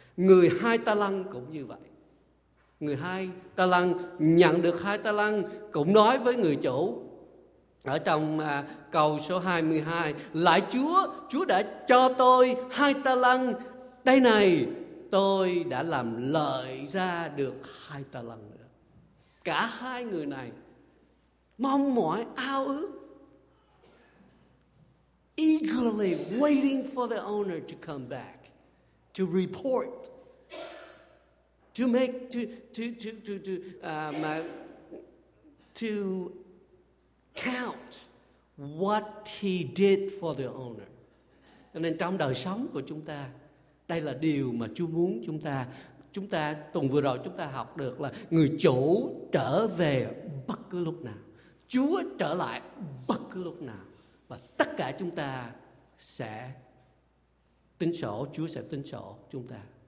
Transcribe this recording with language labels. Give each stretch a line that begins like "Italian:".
Vietnamese: Người 2 ta lăng cũng như vậy. Người 2 ta lăng nhận được 2 ta lăng cũng nói với người chủ ở trong câu số 22: Lại Chúa đã cho tôi 2 ta lăng, đây này, tôi đã làm lợi ra được 2 ta lăng nữa. Cả 2 người này mong mỏi, ao ước,
English: eagerly waiting for the owner to come back to report, to count what he did for the owner.
Vietnamese: Nên trong đời sống của chúng ta, đây là điều mà Chúa muốn chúng ta. Chúng ta tuần vừa rồi chúng ta học được là người chủ trở về bất cứ lúc nào, Chúa trở lại bất cứ lúc nào, và tất cả chúng ta sẽ tính sổ, Chúa sẽ tính sổ chúng ta.